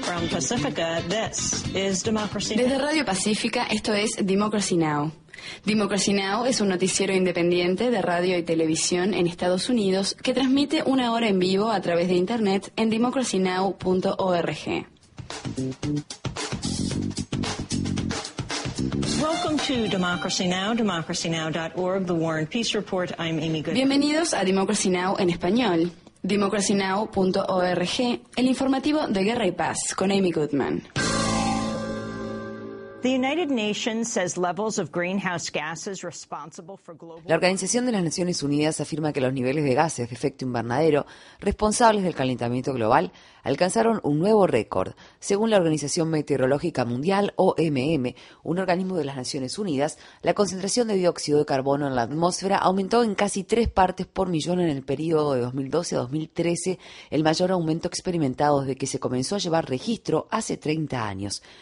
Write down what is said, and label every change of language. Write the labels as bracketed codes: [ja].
[en] Pacifica, this is Democracy Now. [es] Desde Radio Pacífica, esto es Democracy Now. Democracy Now! Es un noticiero independiente de radio y televisión en Estados Unidos que transmite una hora en vivo a través de Internet en democracynow.org. [en] Welcome to Democracy Now!, democracynow.org, The War and Peace Report. I'm Amy Goodman. [es] Bienvenidos a Democracy Now! En español, democracynow.org, el informativo de Guerra y Paz con Amy Goodman. [en] The United Nations says levels of greenhouse gases responsible for global. [es] La Organización de las Naciones Unidas afirma que los niveles de gases de efecto invernadero responsables del calentamiento global alcanzaron un nuevo récord. Según la Organización Meteorológica Mundial, OMM, un organismo de las Naciones Unidas, la concentración de dióxido de carbono en la atmósfera aumentó en casi 3 partes por millón en el periodo de 2012 a 2013, el mayor aumento experimentado desde que se comenzó a llevar registro hace 30 años.